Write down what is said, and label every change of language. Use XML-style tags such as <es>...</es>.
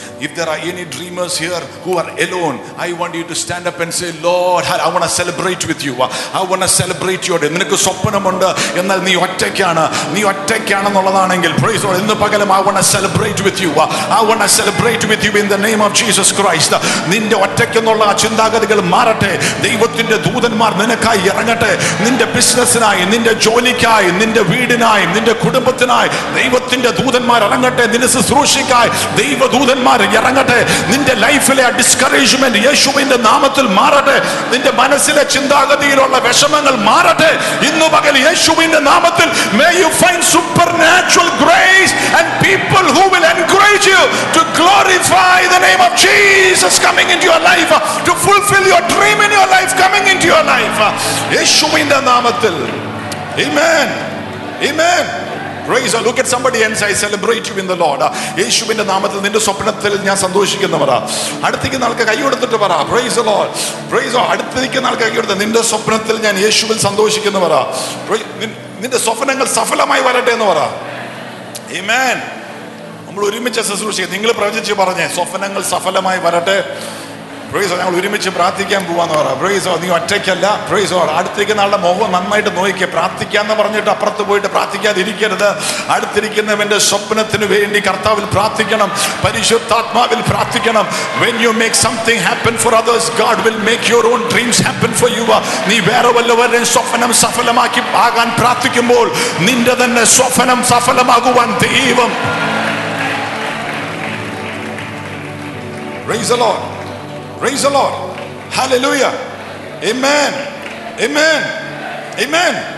<en>If there are any dreamers here who are alone, I want you to stand up and say, Lord, I want to celebrate with you. I want to celebrate you.</en> <ml>നിനക്ക് സ്വപ്നമുണ്ട് എന്നാൽ നീ ഒറ്റയ്ക്കാണ്, നീ ഒറ്റയ്ക്കാണ് എന്നുള്ളതാണെങ്കിൽ,</ml> <en>praise Lord,</en> <ml>ഇന്ന് പകലും</ml> <en>I want to celebrate with you. I want to celebrate with you in the name of Jesus Christ.</en> <ml>നിന്റെ ഒറ്റയ്ക്ക് എന്നുള്ള ചിന്താഗതികൾ മാറട്ടെ. ദൈവത്തിന്റെ ദൂതന്മാർ നിനക്കായി ഇറങ്ങട്ടെ. നിന്റെ ബിസിനസ്സിനായി, നിന്റെ ജോലിക്കായി, നിന്റെ വീടിനായി, നിന്റെ കുടുംബത്തിനായി ദൈവത്തിന്റെ ദൂതന്മാർ ഇറങ്ങട്ടെ. നിന്റെ ശുശ്രൂഷയ്ക്കായി ദൈവദൂതന്മാർ ഇറങ്ങട്ടെ. നിന്റെ ലൈഫിലെ ഡിസ്കറേജ്മെന്റ് യേശുവിന്റെ നാമത്തിൽ മാറട്ടെ. നിന്റെ മനസ്സിലെ ചിന്താഗതിയിലുള്ള വിഷമങ്ങൾ മാറട്ടെ. ഇന്ന് പകൽ യേശുവിന്റെ നാമത്തിൽ</ml> <en>may you find supernatural grace and people who will encourage you to glorify the name of Jesus coming into your life, to fulfill your dream in your life, coming into your life.</en> <ml>യേശുവിന്റെ നാമത്തിൽ, amen, amen.</ml> <en>Praise God. Look at somebody and say, I celebrate you in the Lord.</en> <ml>യേശുവിന്റെ നാമത്തിൽ നിന്റെ സ്വപ്നത്തിൽ ഞാൻ സന്തോഷിക്കുന്നവരാ. അടുത്തിരിക്കുന്ന ആൾക്ക് കൈ കൊടുത്തിട്ട് പറ,</ml> <en>Praise the Lord. Praise the Lord.</en> <ml>അടുത്തിരിക്കുന്ന ആൾക്ക് കൈ കൊടുത്ത്, നിന്റെ സ്വപ്നത്തിൽ ഞാൻ യേശുവിൽ സന്തോഷിക്കുന്നവരാ. നിന്റെ സ്വപ്നങ്ങൾ സഫലമായി വരട്ടെ എന്ന് പറ. ആമേൻ. നമ്മൾ ഒരുമിച്ച് ശുശ്രൂഷ ചെയ്യുക. നിങ്ങൾ പ്രവചിച്ച് പറഞ്ഞേ, സ്വപ്നങ്ങൾ സഫലമായി വരട്ടെ.</ml> <en>Praise the Lord.</en> <ml>ഒരുമിച്ച് പ്രാർത്ഥിക്കാൻ പോവാന്ന് പറ.</ml> <en>Praise the Lord.</en> <ml>നീ ഒറ്റയ്ക്കല്ല.</ml> <en>Praise the Lord.</en> <ml>അടുത്തിരിക്കുന്ന ആളുടെ മുഖം നന്നായിട്ട് നോക്കിയേ. പ്രാർത്ഥിക്കാന്ന് പറഞ്ഞിട്ട് അപ്പുറത്ത് പോയിട്ട് പ്രാർത്ഥിക്കാതിരിക്കരുത്. അടുത്തിരിക്കുന്നവന്റെ സ്വപ്നത്തിന് വേണ്ടി കർത്താവിൽ പ്രാർത്ഥിക്കണം, പരിശുദ്ധാത്മാവിൽ പ്രാർത്ഥിക്കണം.</ml> <en>When you make something happen for others, God will make your own dreams happen for you.</en> <ml>നീ വേറെ വല്ലവരുടെയും സ്വപ്നം സഫലമാക്കി ആകാൻ പ്രാർത്ഥിക്കുമ്പോൾ നിന്റെ തന്നെ സ്വപ്നം സഫലമാകുവാൻ ദൈവം.</ml> <en>Praise the Lord. Praise the Lord. Hallelujah. Amen. Amen. Amen.</en>